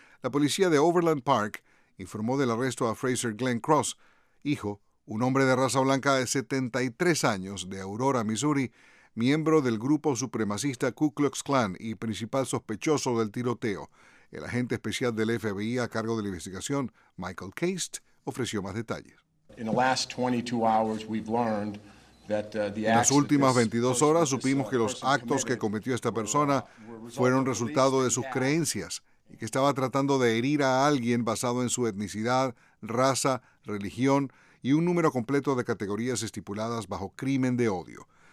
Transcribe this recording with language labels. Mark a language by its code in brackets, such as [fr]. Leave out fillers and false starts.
[es] La policía de Overland Park informó del arresto a Fraser Glenn Cross, hijo, un hombre de raza blanca de 73 años de Aurora, Missouri, miembro del grupo supremacista Ku Klux Klan y principal sospechoso del tiroteo. El agente especial del FBI a cargo de la investigación, Michael Case, ofreció más detalles. [en] In the last 22 hours we've learned that the [es] en las últimas 22 horas supimos que los actos que cometió esta persona fueron resultado de sus creencias y que estaba tratando de herir a alguien basado en su etnicidad, raza, religión y un número completo de categorías estipuladas bajo crimen de odio.